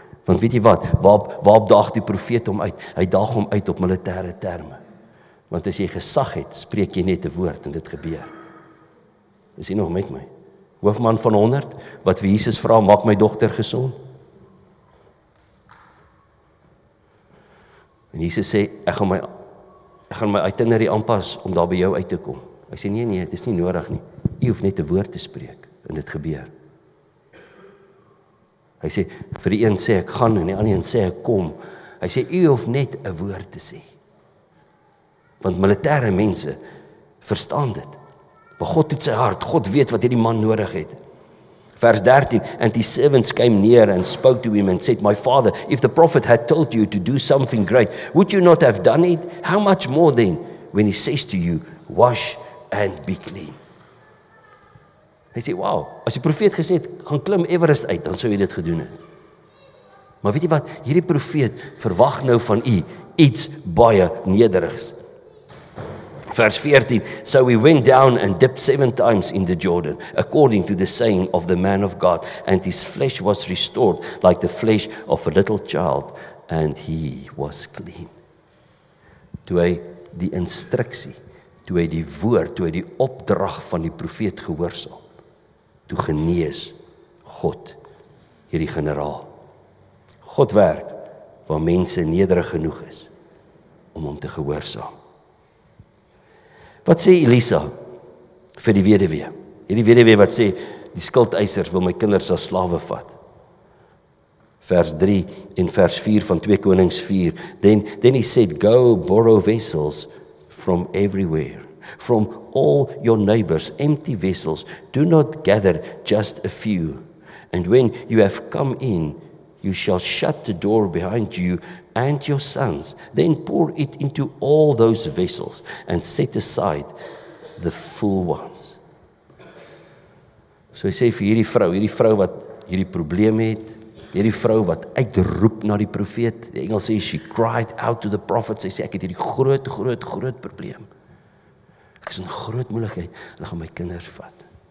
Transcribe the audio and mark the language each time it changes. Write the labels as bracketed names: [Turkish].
[Afrikaans] Want weet jy wat, waarop daag die profeet hom uit? Hy daag hom uit op militêre terme. Want as jy gesag het, spreek jy net 'n woord en dit gebeur. Is jy nog met my? Hoofman van 100, wat vir Jesus vra, maak my dogter gesond. En Jesus sê, ek gaan my itinerary aanpas om daar by jou uit te kom. Hy sê, nee, dit is nie nodig nie. Jy hoef net 'n woord te spreek en dit gebeur. Hy sê, vir die een sê ek gaan en die ander een sê ek kom. Hy sê, jy hoef net 'n woord te sê. Want militêre mense verstaan dit. Maar God toets sy hart. God weet wat hierdie man nodig het. Vers 13, [English] and his servants came near and spoke to him and said, my father, if the prophet had told you to do something great, would you not have done it? How much more then when he says to you, wash and be clean? [Afrikaans] Hy sê, wow, as die profeet gesê het, gaan klim Everest uit, dan sou jy dit gedoen het. Maar weet jy wat, hierdie profeet verwag nou van u iets baie nederigs. Vers 14, [English] so we went down and dipped 7 times in the Jordan, according to the saying of the man of God, and his flesh was restored like the flesh of a little child, and he was clean. [Afrikaans] Toe hy die instruksie, toe hy die woord, toe hy die opdrag van die profeet gehoorsaam, toe genees God hierdie generaal. God werk waar mense nederig genoeg is om hom te gehoorsaam. Wat sê Elisa vir die weduwee? Hierdie weduwee wat sê, die skuldeisers wil my kinders as slawe vat. Vers 3 en vers 4 van 2 Konings 4. [English] Then he said, go borrow vessels from everywhere, from all your neighbors, empty vessels. Do not gather just a few. And when you have come in, you shall shut the door behind you and your sons. Then pour it into all those vessels and set aside the full ones. [Afrikaans] So hy sê vir hierdie vrou wat hierdie probleem het, hierdie vrou wat uitroep na die profeet, die Engels sê, [English] she cried out to the prophet, [Afrikaans] sy sê, ek het hierdie groot, groot, groot probleem. Ek is in groot moeilikheid, hulle gaan my kinders vat.